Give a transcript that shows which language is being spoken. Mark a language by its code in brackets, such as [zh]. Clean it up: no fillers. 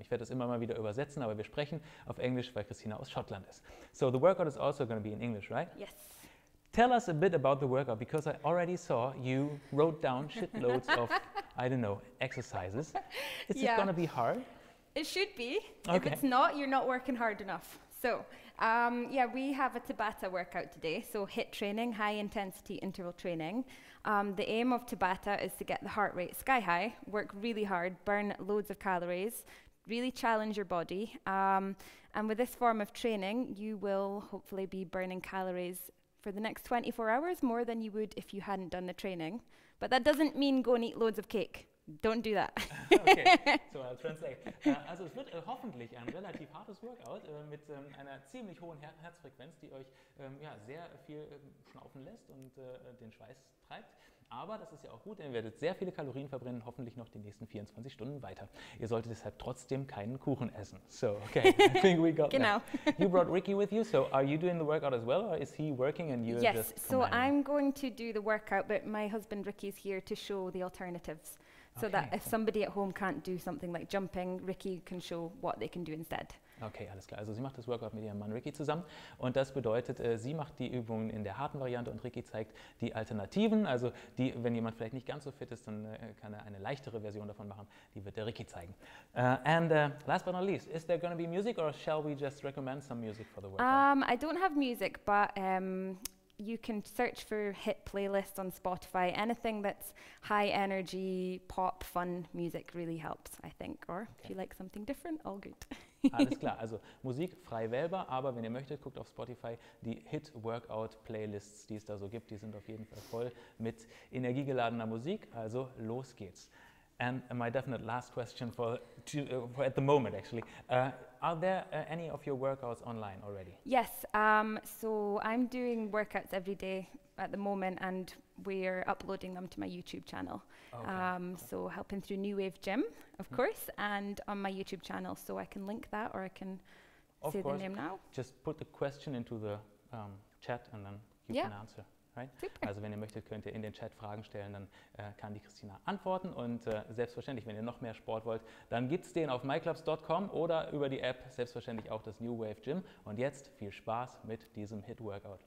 [de] Ich werde das immer mal wieder übersetzen, aber wir sprechen auf Englisch, weil Kristina aus Schottland ist. [en] So the workout is also going to be in English, right? Yes. Tell us a bit about the workout, because I already saw you wrote down shitloads of, I don't know, exercises. Is yeah. it going to be hard? It should be. Okay. If it's not, you're not working hard enough. So, yeah, we have a Tabata workout today. So HIIT training, high intensity interval training. The aim of Tabata is to get the heart rate sky high, work really hard, burn loads of calories, really challenge your body. And with this form of training, you will hopefully be burning calories for the next 24 hours more than you would if you hadn't done the training. But that doesn't mean go and eat loads of cake. Don't do that. Okay, so I'll translate. [de] Also es wird hoffentlich ein relativ hartes Workout mit einer ziemlich hohen Herzfrequenz, die euch ja, sehr viel schnaufen lässt und den Schweiß treibt. Aber das ist ja auch gut, denn ihr werdet sehr viele Kalorien verbrennen, hoffentlich noch die nächsten 24 Stunden weiter. Ihr solltet deshalb trotzdem keinen Kuchen essen. [en] So, okay, I think we got that. [de] Genau. [en] You brought Ricky with you, so are you doing the workout as well, or is he working and you're yes. just Yes, so I'm going to do the workout, but my husband Ricky's here to show the alternatives. So okay. that if somebody at home can't do something like jumping, Ricky can show what they can do instead. [de] Okay, alles klar. Also sie macht das Workout mit ihrem Mann Ricky zusammen und das bedeutet, sie macht die Übungen in der harten Variante und Ricky zeigt die Alternativen. Also die, wenn jemand vielleicht nicht ganz so fit ist, dann kann er eine leichtere Version davon machen. Die wird der Ricky zeigen. [en] And last but not least, is there going to be music or shall we just recommend some music for the workout? I don't have music, but you can search for HIIT playlist on Spotify. Anything that's high energy, pop, fun music really helps, I think. Or okay. if you like something different, all good. [de] Alles klar, also Musik frei wählbar, aber wenn ihr möchtet, guckt auf Spotify die HIIT-Workout-Playlists, die es da so gibt. Die sind auf jeden Fall voll mit energiegeladener Musik, also los geht's. [en] And my definite last question for at the moment, actually. Are there any of your workouts online already? Yes, so I'm doing workouts every day at the moment and we're uploading them to my YouTube channel. Okay. So helping through New Wave Gym, of course, and on my YouTube channel. So I can link that or I can of say course. The name now. Just put the question into the chat and then you yeah. can answer. Right? Super. [de] Also wenn ihr möchtet, könnt ihr in den Chat Fragen stellen, dann kann die Kristina antworten. Und selbstverständlich, wenn ihr noch mehr Sport wollt, dann gibt es den auf myclubs.com oder über die App selbstverständlich auch das New Wave Gym. Und jetzt viel Spaß mit diesem HIIT Workout.